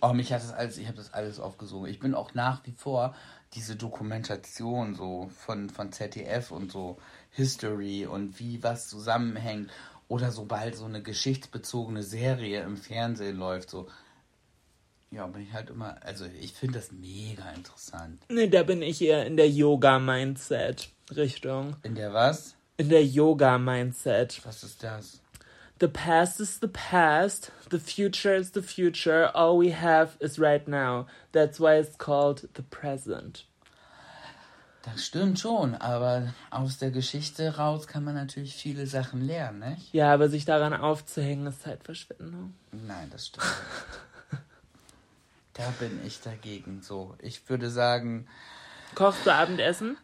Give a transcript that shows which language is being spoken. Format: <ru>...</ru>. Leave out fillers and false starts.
<de>Oh, mich hat das alles, ich habe das alles aufgesogen. Ich bin auch nach wie vor diese Dokumentation so von ZDF und so History und wie was zusammenhängt oder sobald so eine geschichtsbezogene Serie im Fernsehen läuft, so. Ja, bin ich halt immer, also ich finde das mega interessant. Nee, da bin ich eher in der Yoga-Mindset-Richtung. In der was? In der Yoga-Mindset. Was ist das?</de> <en>The past is the past, the future is the future, all we have is right now. That's why it's called the present.</en> <de>Das stimmt schon, aber aus der Geschichte raus kann man natürlich viele Sachen lernen, nicht? Ja, aber sich daran aufzuhängen ist Zeitverschwendung. Nein, das stimmt. Da bin ich dagegen, so. Ich würde sagen... Kochst du Abendessen?</de>